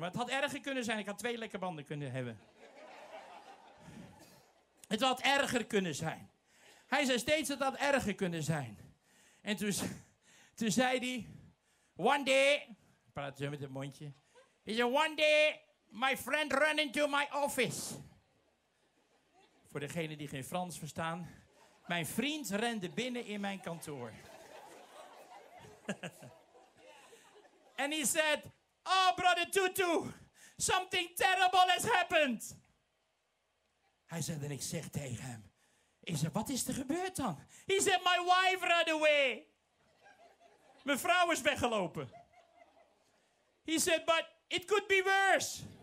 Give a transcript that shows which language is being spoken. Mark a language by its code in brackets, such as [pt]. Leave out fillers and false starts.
[nl] Maar het had erger kunnen zijn, ik had 2 lekke banden kunnen hebben. Het had erger kunnen zijn. Hij zei steeds, het had erger kunnen zijn. En toen zei hij, [en] one day, [nl] ik praat zo met het mondje. Hij zei, [en] one day... My friend ran into my office. [nl] Voor degenen die geen Frans verstaan. Mijn vriend rende binnen in mijn kantoor. [en] And he said, oh, brother Tutu, something terrible has happened. [nl] Hij zei, en ik zeg tegen hem, is er, wat is er gebeurd dan? [en] He said, my wife ran away. [nl] Mijn vrouw is weggelopen. [en] He said, but it could be worse.